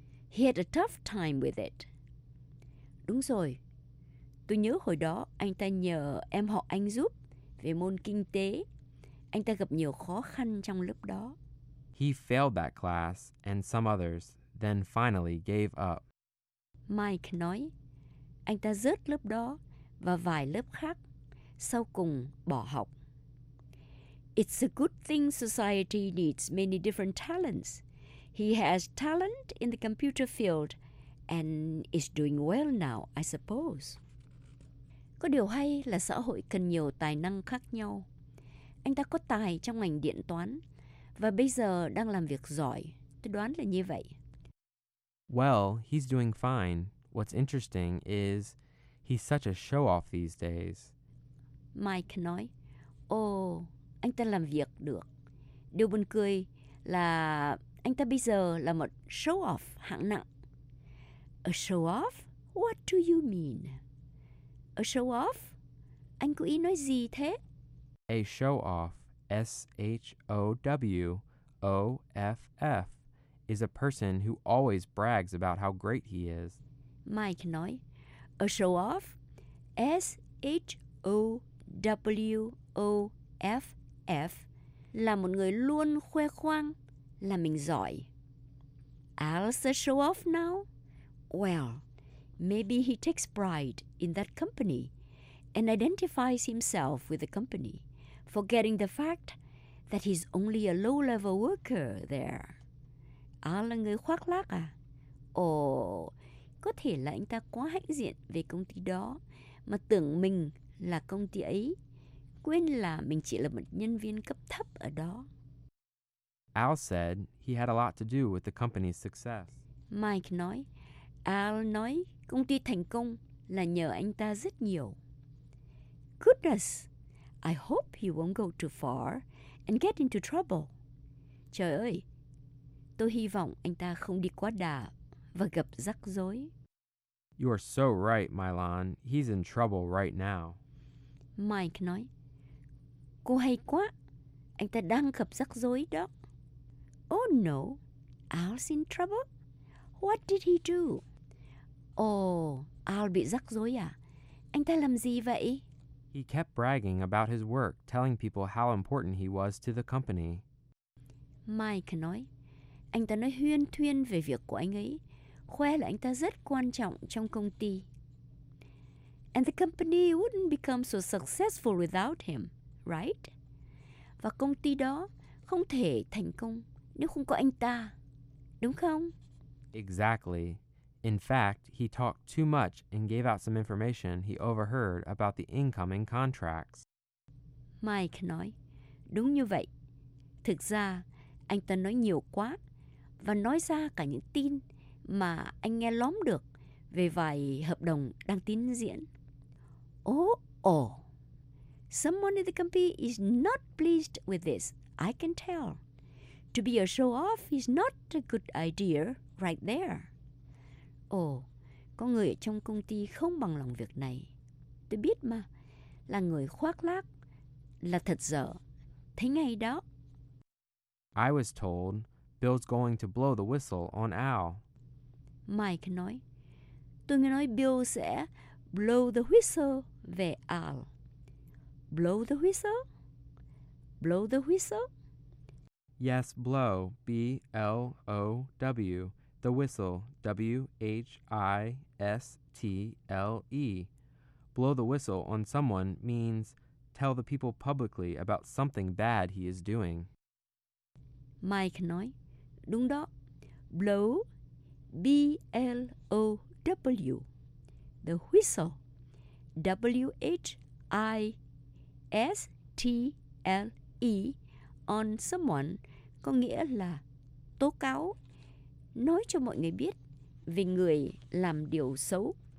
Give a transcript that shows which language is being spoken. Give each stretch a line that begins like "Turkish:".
English: He had a tough time with it.
Vietnamese: Đúng rồi, tôi nhớ hồi đó anh ta nhờ em họ anh giúp về môn kinh tế. Anh ta gặp nhiều khó khăn trong lớp đó.
English: He failed that class and some others, then finally gave up.
Vietnamese: Mike nói, anh ta rớt lớp đó và vài lớp khác, sau cùng bỏ học.
English: It's a good thing society needs many different talents. He has talent in the computer field and is doing well now, I suppose.
Vietnamese: Có điều hay là xã hội cần nhiều tài năng khác nhau. Anh ta có tài trong ngành điện toán và bây giờ đang làm việc giỏi. Tôi đoán là như vậy.
English: Well, he's doing fine. What's interesting is he's such a show-off these days.
Vietnamese: Mike nói, anh ta làm việc được. Điều buồn cười là anh ta bây giờ là một show-off hạng nặng.
English: A show-off? What do you mean? A show-off?
Vietnamese: Anh có ý nói gì thế?
English: A show-off, S-H-O-W-O-F-F, is a person who always brags about how great he is.
Vietnamese: Mike nói, a show-off, S-H-O-W-O-F-F, là một người luôn khoe khoang là mình giỏi.
English: Al's a show-off now? Well, maybe he takes pride in that company and identifies himself with the company, forgetting the fact that he's only a low-level worker there.
Vietnamese: Al là người khoác lác à? Có thể là anh ta quá hãnh diện về công ty đó, mà tưởng mình là công ty ấy, quên là mình chỉ là một nhân viên cấp thấp ở đó.
English: Al said he had a lot to do with the company's success.
Vietnamese: Mike nói, Al nói công ty thành công là nhờ anh ta rất nhiều.
English: Goodness! I hope he won't go too far and get into trouble.
Vietnamese: Trời ơi, tôi hy vọng anh ta không đi quá đà và gặp rắc rối.
English: You are so right, Mylon. He's in trouble right now.
Vietnamese: Mike nói, cô hay quá. Anh ta đang gặp rắc rối đó.
English: Oh no, Al's in trouble? What did he do?
Vietnamese: Oh, Al bị rắc rối à? Anh ta làm gì vậy?
English: He kept bragging about his work, telling people how important he was to the company.
Vietnamese: Mike nói, anh ta nói huyên thuyên về việc của anh ấy, khoe là anh ta rất quan trọng trong công ty.
English: And the company wouldn't become so successful without him, right?
Vietnamese: Và công ty đó không thể thành công nếu không có anh ta, đúng không?
English: Exactly. In fact, he talked too much and gave out some information he overheard about the incoming contracts.
Vietnamese: Mike nói, đúng như vậy. Thực ra, anh ta nói nhiều quá và nói ra cả những tin mà anh nghe lóm được về vài hợp đồng đang tiến diễn.
English: Someone in the company is not pleased with this, I can tell. To be a show-off is not a good idea right there.
Vietnamese: Có người ở trong công ty không bằng lòng việc này. Tôi biết mà, là người khoác lác, là thật dở. Thế ngay đó.
English: I was told Bill's going to blow the whistle on Al.
Vietnamese: Mike nói, tôi nghe nói Bill sẽ
English: blow the whistle
Vietnamese: về Al.
English: Blow the whistle? Blow the whistle? Yes, blow, B-L-O-W, the whistle, W-H-I-S-T-L-E. Blow the whistle on someone means tell the people publicly about something bad he is doing.
Vietnamese: Mike nói, đúng đó,
English: blow, B-L-O-W, the whistle, W-H-I-S-T-L-E, on someone,
Vietnamese: có nghĩa là tố cáo, nói cho mọi người biết về người làm điều xấu.